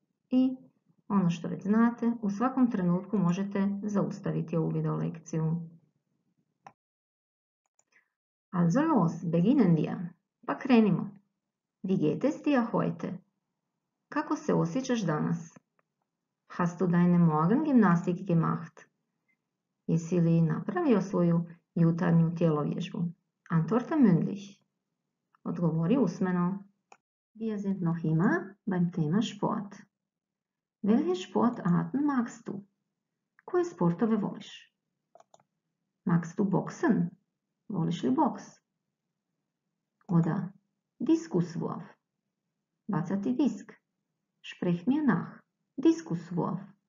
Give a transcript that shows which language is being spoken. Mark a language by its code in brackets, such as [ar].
[hr] I ono što već znate, u svakom trenutku možete zaustaviti ovu video lekciju. [de] Also los, beginnen wir. [hr] Pa krenimo. [de] Wie geht es dir heute? [hr] Kako se osjećaš danas? [de] Hast du deine Morgengymnastik gemacht? [hr] Jesi li napravio svoju jutarnju tjelovježbu? [de] Antworte mündlich. [hr] Odgovori usmeno. [de] Wir sind noch immer beim Thema Sport. Welche Sportarten magst du? [hr] Koje sportove voliš? [de] Magst du boksen? [hr] Voliš li boks? [de] Oder Diskuswurf. [hr] Bacati disk. [de] Sprech mir nach. Diskuswurf.